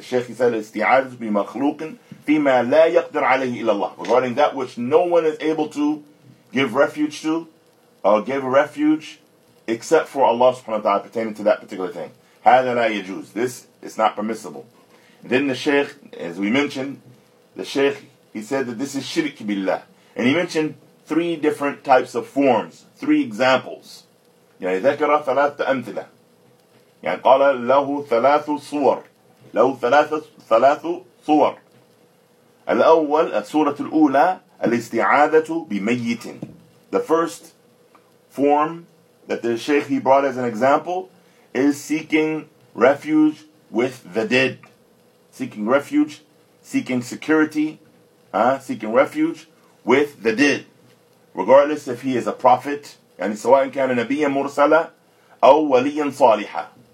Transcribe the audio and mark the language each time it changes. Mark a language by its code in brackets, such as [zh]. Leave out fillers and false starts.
[en] The Shaykh said, [ar] "Isti'adat bi makhluqin fi ma la yaqdir alayhi illallah," [en] regarding that which no one is able to give refuge to, or give refuge except for Allah subhanahu wa ta'ala pertaining to that particular thing. [ar] هذا لا يجوز. [en] This is not permissible. And then the Shaykh, as we mentioned, the Shaykh, he said that this is shirk billah. And he mentioned three different types of forms, three examples. [ar] يعني ذكر ثلاثة أمثلة. يعني قال له ثلاث صور, له ثلاث صور. الأول, السورة الأولى, الاستعاذة بميت. [en] The first form that the Shaykh he brought as an example is seeking refuge with the dead, seeking refuge, seeking security, seeking refuge with the dead, regardless if he is a prophet, [ar] يعني سواء كان نبيا مرسلا أو وليا صالحا.